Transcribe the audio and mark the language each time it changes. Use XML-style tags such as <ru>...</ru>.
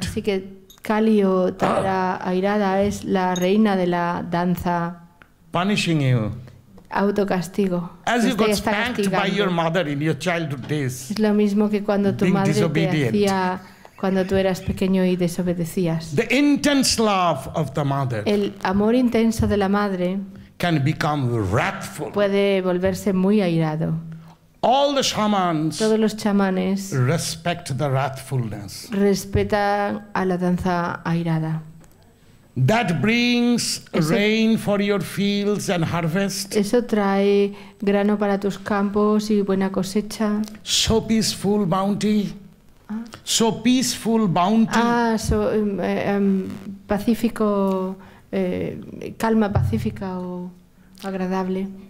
<es>Así que Kali o Tara airada es la reina de la danza.</es> <en>Punishing you.</en> <es>Autocastigo.</es> <en>As you got spanked by your mother in your childhood days.</en> <es>Es lo mismo que cuando tu madre te hacía cuando tú eras pequeño y desobedecías.</es> <en>The intense love of the mother.</en> <es>El amor intenso de la madre</es> <en>can become wrathful.</en> <es>Puede volverse muy airado.</es> <en>All the shamans,</en> <es>todos los chamanes,</es> <en>respect the wrathfulness.</en> <es>Respetan a la danza airada.</es> <en>That brings rain for your fields and harvest.</en> <es>Eso trae grano para tus campos y buena cosecha.</es> <en>So peaceful bounty. So peaceful bounty.</en> <es>Ah, so pacífico, calma pacífica o agradable.</es>